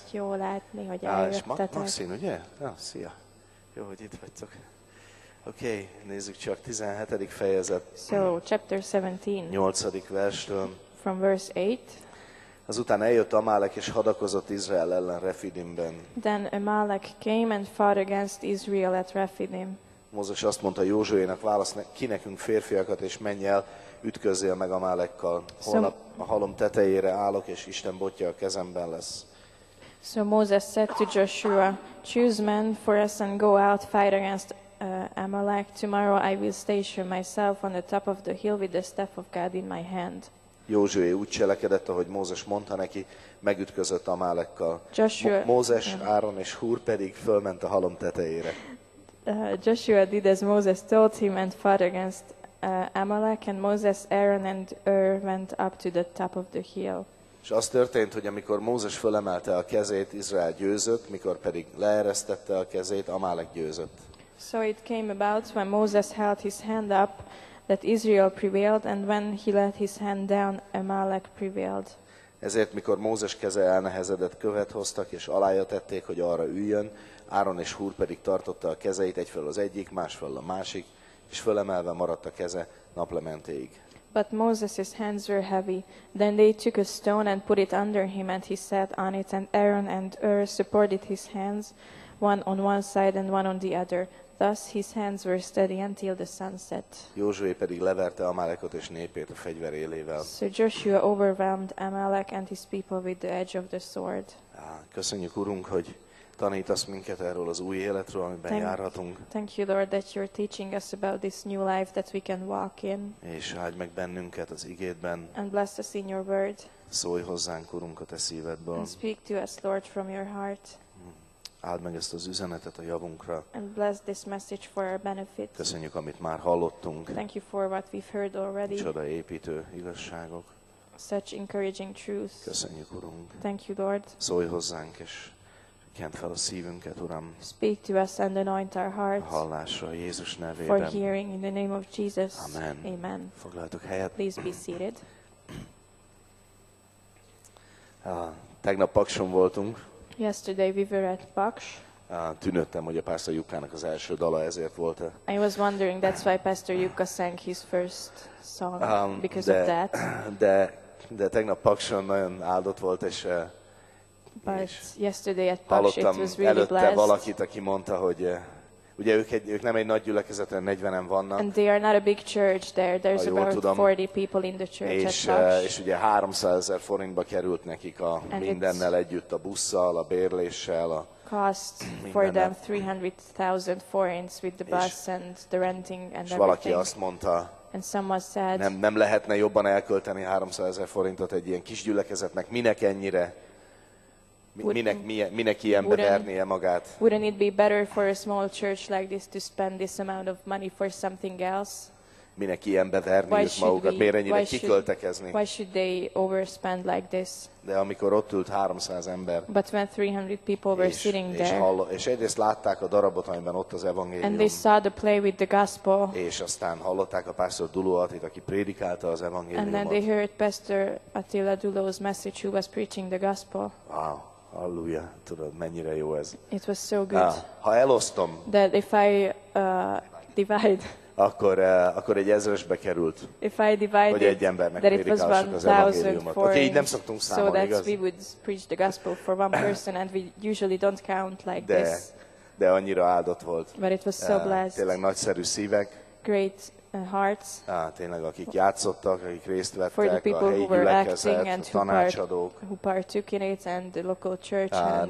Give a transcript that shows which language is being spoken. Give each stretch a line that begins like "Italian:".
Hungarian: Jó látni, hogy eljöttetek. Ah, Maxine, ugye? Ja, szia. Jó, hogy itt vagytok. Oké, nézzük csak 17. fejezet.
English: So, chapter 17.
Hungarian: 8. verstől.
English: From verse 8.
Hungarian: Azután eljött Amálek és hadakozott Izrael ellen Refidimben.
English: Then Amalek came and fought against Israel at Refidim.
Hungarian: Mózes azt mondta Józsuénak, válasz ki nekünk férfiakat és menj el, ütközzél meg Amálekkal. Holnap a halom tetejére állok és Isten botja a kezemben lesz.
English: So Moses said to Joshua, choose men for us and go out, fight against Amalek. Tomorrow I will station myself on the top of the hill with the staff of God in my hand.
Hungarian: Józsué úgy cselekedett, ahogy Mózes mondta neki, megütközött Amálekkal. Mózes, Áron és Húr pedig fölment a halom tetejére.
English: Joshua did as Moses told him and fought against Amalek, and Moses, Aaron and Hur went up to the top of the hill.
Hungarian: És az történt, hogy amikor Mózes fölemelte a kezét, Izrael győzött, mikor pedig leeresztette a kezét, Amálek győzött.
English: So it came about when Moses held his hand up, that Israel prevailed, and when he let his hand down, Amalek prevailed.
Hungarian: Ezért, mikor Mózes keze elnehezedett, követ hoztak, és alája tették, hogy arra üljön, Áron és Húr pedig tartotta a kezeit, egyfelől az egyik, másfelől a másik, és fölemelve maradt a keze naplementéig.
English: But Moses' hands were heavy. Then they took a stone and put it under him, and he sat on it, and Aaron and Hur supported his hands, one on one side and one on the other. Thus his hands were steady until the sunset.
Hungarian: Józsué pedig leverte Amalekot és népét a fegyver élével.
English: So Joshua overwhelmed Amalek and his people with the edge of the sword.
Hungarian: Köszönjük, Urunk, hogy tanítasz minket erről az új életről, amiben járhatunk.
English: Thank you, Lord, that you're teaching us about this new life that we can walk in.
Hungarian: És áldj meg bennünket az igédben.
English: And bless us in your word.
Hungarian: Szólj hozzánk, Urunk, a te szívedből.
English: And speak to us, Lord, from your heart.
Hungarian: Áld meg ezt az üzenetet a javunkra.
English: And bless this message for our benefit.
Hungarian: Köszönjük, amit már hallottunk.
English: Thank you for what we've heard already.
Hungarian: Csoda építő igazságok.
English: Such encouraging truth.
Hungarian: Köszönjük, Urunk.
English: Thank you, Lord.
Hungarian: Szólj hozzánk, és kent fel a szívünket, Uram.
English: Speak to us and anoint our hearts.
Hungarian: Hallásra, Jézus nevében.
English: For hearing in the name of Jesus.
Hungarian: Amen.
English: Amen.
Hungarian: Foglaltok helyet.
English: Please be seated.
Hungarian: Tegnap Pakson voltunk.
English: Yesterday we were at Paks.
Hungarian: Tűnődtem, hogy a Pásztor Jukkának az első dala ezért volt.
English: I was wondering, that's why Pastor Jukka sang his first song, because of that.
Hungarian: De tegnap Pakson nagyon áldott volt, és
English: yesterday at Paks it was really blessed.
Hungarian: Hallottam előtte valakit, aki mondta, hogy ugye ők nem egy nagy gyülekezet, 40-en vannak.
English: And they are not a big church there. There's about 40 people in the church at Paks.
Hungarian: És ugye 300,000 forintba került nekik a mindennel együtt, a busszal, a bérléssel, a
English: cost for them 300,000 forints with the bus and the renting and everything.
Hungarian: És valaki azt mondta,
English: and someone said,
Hungarian: nem lehetne jobban elkölteni 300,000 forintot egy ilyen kis gyülekezetnek, minek ennyire? Minek ilyenbe vernie magát?
English: Wouldn't it be better for a small church like this to spend this amount of money for something else?
Hungarian: Minek ilyenbe vernie magukat? Miért ennyire kiköltekezni?
English: Why should they overspend like this?
Hungarian: De amikor ott ült 300 ember.
English: But when 300 people were sitting there.
Hungarian: És egyrészt látták a darabot, amiben ott az evangélium.
English: And they saw the play with the gospel.
Hungarian: És aztán hallották a pásztor Dulo Attit, aki prédikálta az evangéliumot.
English: And then they heard Pastor Attila Dulo's message, who was preaching the gospel. Wow.
Hungarian: Halleluja, tudod, mennyire jó ez.
English: It was so good.
Hungarian: Ha elosztom.
English: That if I divide.
Hungarian: Akkor egy ezresbe került.
English: If I divide.
Hungarian: Hogy egy embernek prédikálsak az evangéliumot. Okay, így nem szoktunk számolni, igaz?
English: So that we would preach the gospel for one person and we usually don't count like
Hungarian: De annyira áldott volt.
English: But it was so blessed.
Hungarian: Tényleg nagyszerű szívek.
English: Great hearts.
Hungarian: Tényleg, akik játszottak, akik részt vettek,
English: for the people
Hungarian: a helyi
English: who were acting and
Hungarian: tanácsadók.
English: Who partook in it and the local church.